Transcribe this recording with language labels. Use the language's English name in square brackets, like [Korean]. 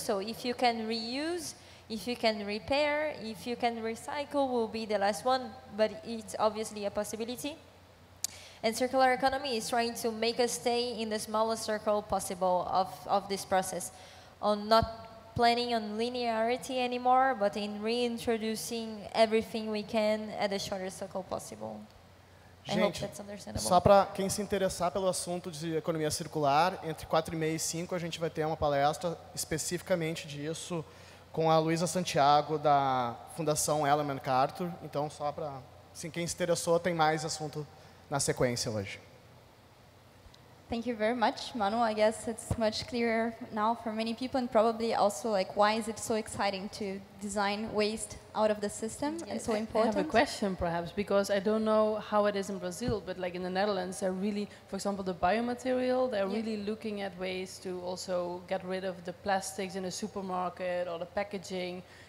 [English] So if you can reuse, if you can repair, if you can recycle will be the last one, but it's obviously a possibility. And circular economy is trying to make us stay in the smallest circle possible of this process, on not planning on linearity anymore, but in reintroducing everything we can at the shortest circle possible. [Portuguese] Gente, só para quem se interessar pelo assunto de economia circular, entre 4:30 e 5 a gente vai ter uma palestra especificamente disso com a Luísa Santiago da Fundação Ellen MacArthur. Então, só para assim, quem se interessou, tem mais assunto na sequência hoje. [English] Thank you very much, Manu. I guess it's much clearer now for many people, and probably also like why is it so exciting to design waste out of the system? Yes. And so important. I have a question, perhaps, because I don't know how it is in Brazil, but like in the Netherlands, they're really, for example, the biomaterial, they're really looking at ways to also get rid of the plastics in a supermarket or the packaging.